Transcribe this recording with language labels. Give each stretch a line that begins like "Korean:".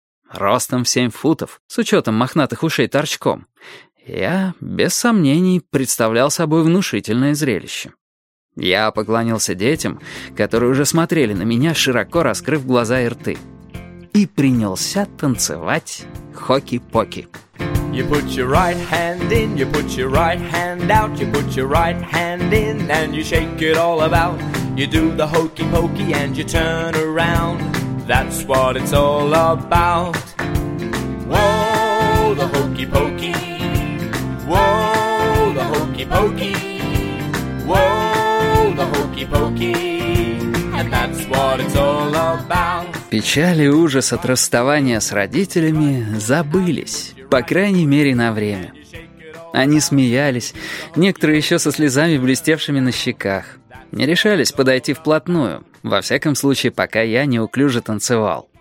Russian: Ростом в 7 футов, с учетом мохнатых ушей торчком, я, без сомнений, представлял собой внушительное зрелище. Я поклонился детям, которые уже смотрели на меня, широко раскрыв глаза и рты. И принялся танцевать хоки-поки.
English: You put your right hand in, you put your right hand out, you put your right hand in, and you shake it all about. You do the hokey-pokey and you turn around. That's what it's all about. Whoa, the hokey-pokey. Whoa, the hokey-pokey. Whoa, the hokey-pokey. And that's what it's all about.
Russian: Печаль и ужас от расставания с родителями забылись, по крайней мере, на время. Они смеялись, некоторые еще со слезами, блестевшими на щеках. Не решались подойти вплотную, во всяком случае, пока я неуклюже танцевал.